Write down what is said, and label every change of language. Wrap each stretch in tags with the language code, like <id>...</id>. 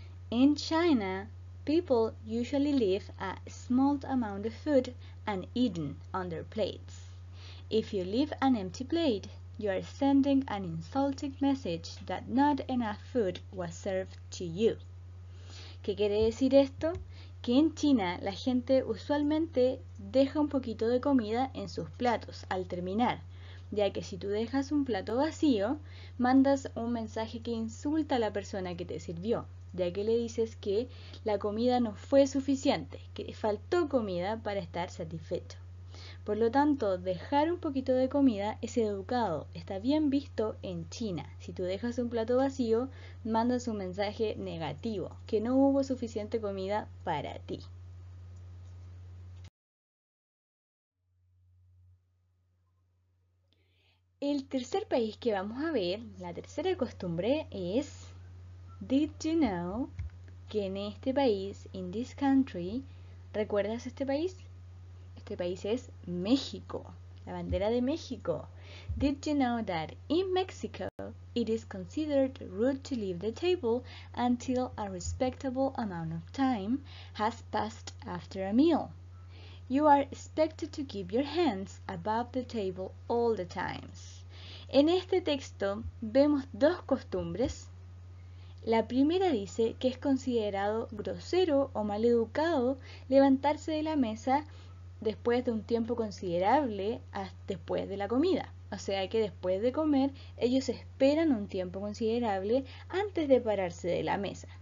<en>In China, people usually leave a small amount of food uneaten on their plates. If you leave an empty plate, you are sending an insulting message that not enough food was served to you.</en> <es>¿Qué quiere decir esto? Que en China la gente usualmente deja un poquito de comida en sus platos al terminar, ya que si tú dejas un plato vacío, mandas un mensaje que insulta a la persona que te sirvió, ya que le dices que la comida no fue suficiente, que faltó comida para estar satisfecho. Por lo tanto, dejar un poquito de comida es educado, está bien visto en China. Si tú dejas un plato vacío, mandas un mensaje negativo, que no hubo suficiente comida para ti. El tercer país que vamos a ver, la tercera costumbre es,</es> <en>¿Did you know</en> <es>que en este país,</es> <en>in this country,</en> <es>¿recuerdas este país? Este país es México, la bandera de México.</es> <en>Did you know that in Mexico it is considered rude to leave the table until a respectable amount of time has passed after a meal? You are expected to keep your hands above the table all the times.</en> <es>En este texto vemos dos costumbres. La primera dice que es considerado grosero o mal educado levantarse de la mesa después de un tiempo considerable después de la comida. O sea que después de comer, ellos esperan un tiempo considerable antes de pararse de la mesa.</es>